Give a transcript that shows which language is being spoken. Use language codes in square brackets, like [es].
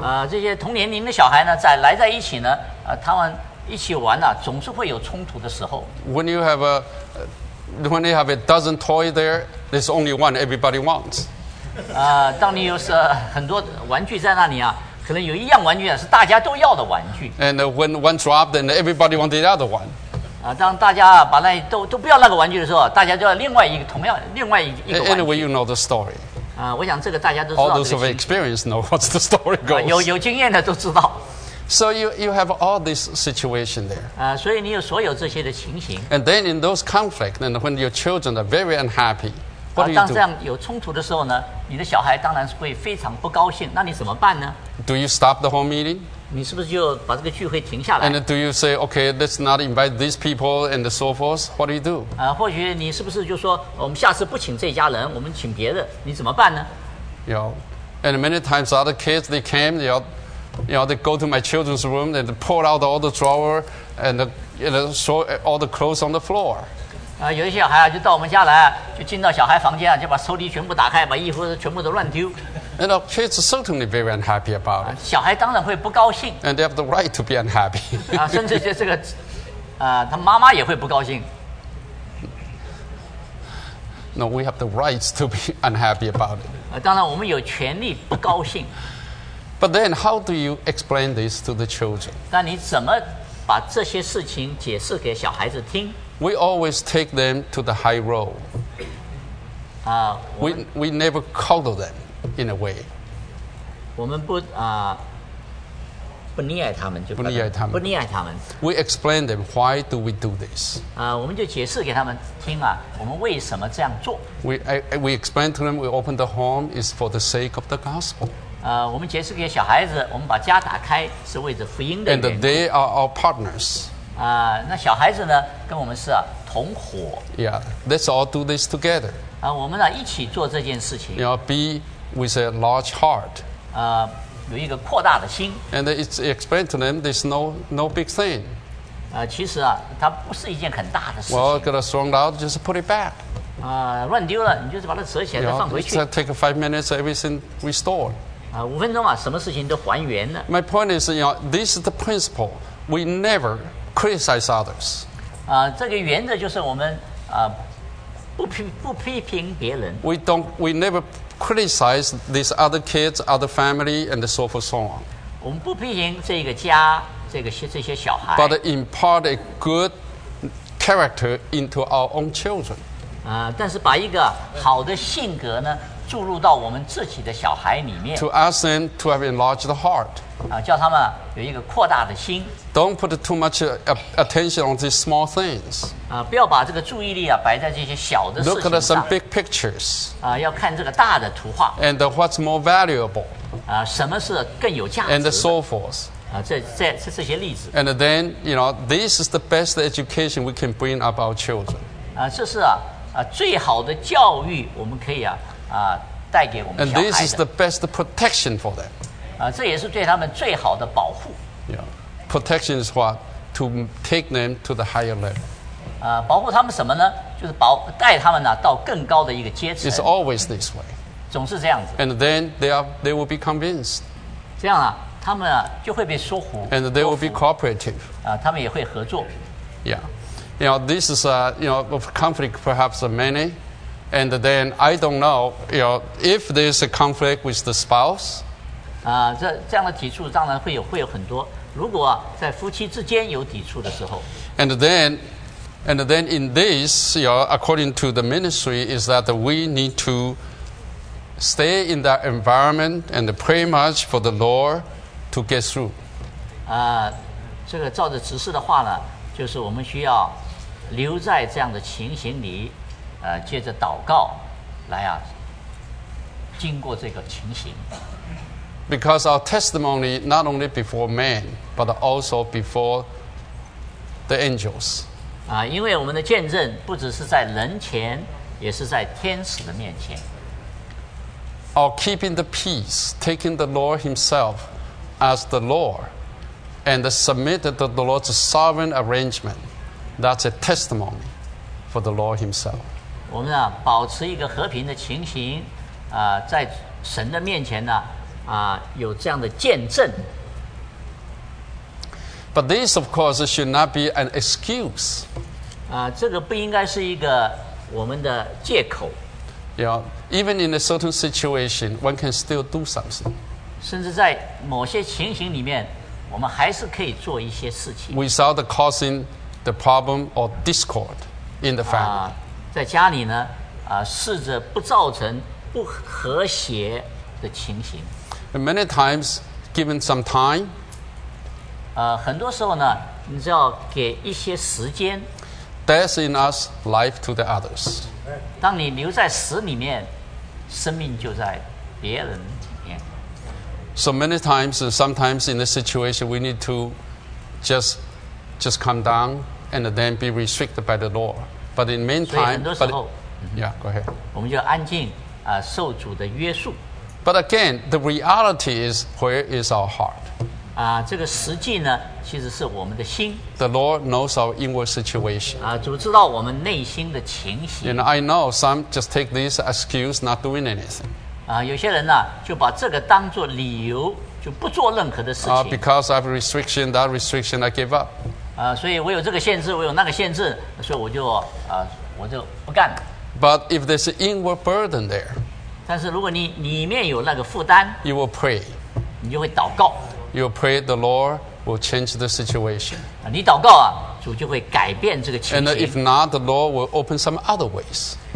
[zh] 这些同年龄的小孩呢，在来在一起呢，他们。一起玩啊，总是会有冲突的时候。 [en] When you have a, when you have a dozen toy there, there's only one everybody wants. [zh] 当你有很多玩具在那里啊，可能有一样玩具啊是大家都要的玩具。 [en] And when one dropped, then everybody wanted the other one. [zh] 当大家把那都不要那个玩具的时候，大家就要另外一个同样另外一个玩具。 [en] Anyway, you know the story. [zh] 我想这个大家都知道。 [en] All those who've experienced know what the story goes. [zh] 有经验的都知道。 [en] So you have all this situation there. [zh] 所以你有所有这些的情形。 [en] And then in those conflict, and when your children are very unhappy, what do you do? [zh] 当这样有冲突的时候呢，你的小孩当然是会非常不高兴。那你怎么办呢？ [en] Do you stop the whole meeting? [zh] 你是不是就把这个聚会停下来？ [en] And do you say, okay, let's not invite these people and so forth? What do you do? [zh] 或许你是不是就说，我们下次不请这家人，我们请别的？你怎么办呢？ [en] You know, and many times other kids they came, they all. You know, they go to my children's room and pull out all the drawer and throw all the clothes on the floor. [zh] 有一些小孩就到我们家来，就进到小孩房间，就把抽屉全部打开，把衣服全部都乱丢。 [en] And the kids are certainly very unhappy about it. [zh] 小孩当然会不高兴。 [en] And they have the right to be unhappy. [zh] 甚至就这个，他妈妈也会不高兴。 [en] No, we have the right to be unhappy about it. [zh] 当然我们有权利不高兴。 [en] But then, how do you explain this to the children? [zh] 那你怎么把这些事情解释给小孩子听？ [en] We always take them to the high road. We never coddle them in a way. [zh] 我们不溺爱他们，就不溺爱他们。 [en] We explain them why do we do this. [zh] 我们就解释给他们听啊，我们为什么这样做？ [en] We explain to them we open the home is for the sake of the gospel. [zh] 我们解释给小孩子，我们把家打开是为着福音的缘故。 [en] And they are our partners. [zh] 那小孩子呢，跟我们是、啊、同伙。 [en] Yeah, let's all do this together. [zh] 我们呢、啊、一起做这件事情。 [en] You know, be with a large heart. [zh] 有一个扩大的心。 [en] And it's explained to them there's no big thing. [zh] 其实啊，它不是一件很大的事情。 [en] Well, get a strong doubt, just put it back. [zh] 乱丢了，你就是把它折起来再放回去。 [en] You know, take 5 minutes, everything restored. [zh] 五分钟啊，什么事情都还原了。 [en] My point is, you know, this is the principle. We never criticize others. [zh] 这个原则就是我们不批评别人。 [en] We never criticize these other kids, other family, and so forth, so on. [zh] 我们不批评这个家，这些小孩。 [en] But impart a good character into our own children. [zh] 但是把一个好的性格呢？注入到我们自己的小孩里面。 [en] To ask them to have enlarged the heart. [zh] 叫他们有一个扩大的心。 [en] Don't put too much attention on these small things. [zh] 不要把这个注意力啊摆在这些小的事情上。 [en] Look at some big pictures. [zh] 要看这个大的图画。 [en] And what's more valuable? [zh] 什么是更有价值的 [en] and so forth. [zh] 这些例子 [en] And then, you know, this is the best education we can bring up our children. [zh] 这是最好的教育我们可以带给我们小孩的 [en] And this is the best protection for them. [zh] 这也是对他们最好的保护 [en] Yeah. Protection is what? To take them to the higher level. [zh] 保护他们什么呢？就是带他们到更高的一个阶层。 [en] It's always this way. [zh] 总是这样子。 [en] And then they will be convinced. [zh] 这样他们就会被说服。 [en] And they will be cooperative. [zh] 他们也会合作。 [en] Yeah. You know, this is a, you know, conflict perhaps many. And then I don't know, you know, if there's a conflict with the spouse. [zh] 这样的抵触当然会有很多。如果在夫妻之间有抵触的时候。 [en] And then in this, you know, according to the ministry, is that we need to stay in that environment and pray much for the Lord to get through. [zh] 这个照着指示的话呢，就是我们需要留在这样的情形里，借着祷告来经过这个情形。 [en] Because our testimony not only before man, but also before the angels. [zh] 因为我们的见证不只是在人前，也是在天使的面前。 [en] Or keeping the peace, taking the Lord Himself as the Lord, and submitted to the Lord's sovereign arrangement, that's a testimony for the Lord Himself. [zh] 我们保持一个和平的情形，在神的面前呢，有这样的见证。 [en] But this, of course, should not be an excuse. [zh] 这个不应该是一个我们的借口。 [en] You know, even in a certain situation, one can still do something. [zh] 甚至在某些情形里面，我们还是可以做一些事情。 [en] Without causing the problem or discord in the family. [zh] 在家里呢，试着不造成不和谐的情形。 [en] And many times, given some time, [zh] 很多时候呢，你只要给一些时间。 [en] Death in us, life to the others. [zh] 当你留在死里面，生命就在别人里面。 [en] So many times, and sometimes in this situation, we need to just calm down and then be restricted by the Lord. But in meantime, [zh] 所以很多时候 [en] yeah, go ahead. [zh] 我们就安静，受主的约束。 [en] But again, the reality is where is our heart? [zh] 这个实际呢，其实是我们的心。 [en] The Lord knows our inward situation. [zh] 主知道我们内心的情形。 [en] And I know some just take this excuse not doing anything. [zh] 有些人呢，就把这个当作理由，就不做任何的事情。 [en] Because I have a restriction, that restriction I give up. [zh] 所以我有这个限制，我有那个限制，所以我就不干了。 [en] But if there's an inward burden there, [zh] 但是如果你里面有那个负担 [en] ，you will pray. [zh] 你就会祷告。 [en] You pray the Lord will change the situation. [zh] 你祷告啊，主就会改变这个情形。 [en] And if not, the Lord will open some other ways.